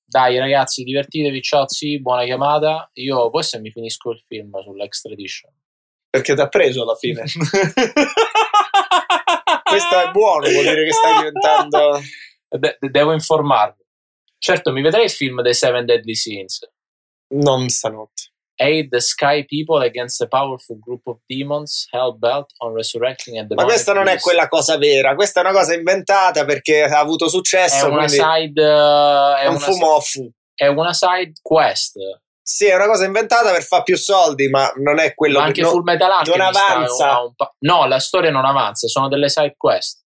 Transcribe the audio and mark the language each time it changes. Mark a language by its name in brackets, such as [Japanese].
[Italian] Dai ragazzi, divertitevi, ciao zi, buona chiamata. Io poi se mi finisco il film sull'Extra Edition. Perché ti ha preso alla fine. Questo è buono, vuol dire che stai diventando... Devo informarmi. Certo, mi vedrai il film dei Seven Deadly Sins? Non stanotte. [English] Aid the sky people against a powerful group of demons hell bent on resurrecting and demonic. [Italian] Ma questa non è quella cosa vera, questa è una cosa inventata perché ha avuto successo. È una side. È una side quest. Sì, è una cosa inventata per fare più soldi, ma non è quello. Ma anche Full Metal Alchemist non avanza. No, la storia non avanza, sono delle side quest.